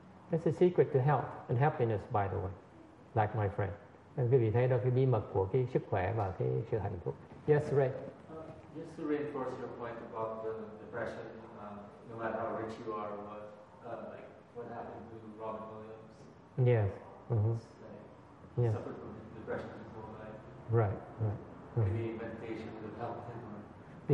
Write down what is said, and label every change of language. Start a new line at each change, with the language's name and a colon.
English: That's the secret to health and happiness, by the way, like my friend.
Vietnamese: Các quý vị thấy đó, cái bí mật của cái sức khỏe và cái sự hạnh phúc.
English: Yes, Ray. Just to reinforce your point about the depression, no matter how rich you are, what happened to Robin Williams? Yes. Mm-hmm. Yes. Suffered from depression his whole life. Right. Maybe meditation would have helped him.